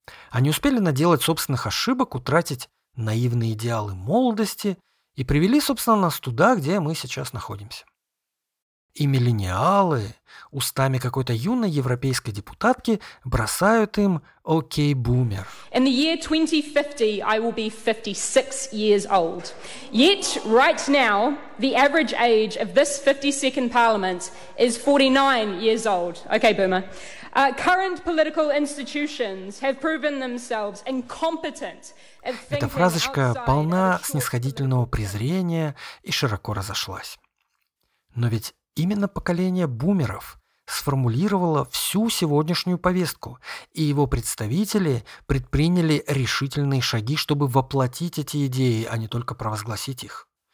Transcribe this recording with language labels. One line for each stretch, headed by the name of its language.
Russian: Они успели наделать собственных ошибок, утратить наивные идеалы молодости и привели, собственно, нас туда, где мы сейчас находимся. И миллениалы устами какой-то юной европейской депутатки бросают им «Окей, бумер».
English: In the year 2050, I will be 56 years old. Yet, right now, the average age of this 52nd parliament is 49 years old. Okay, boomer. Current political institutions have proven themselves incompetent.
Russian: Эта фразочка полна снисходительного презрения и широко разошлась. Но ведь именно поколение бумеров сформулировало всю сегодняшнюю повестку, и его представители предприняли решительные шаги, чтобы воплотить эти идеи, а не только провозгласить их.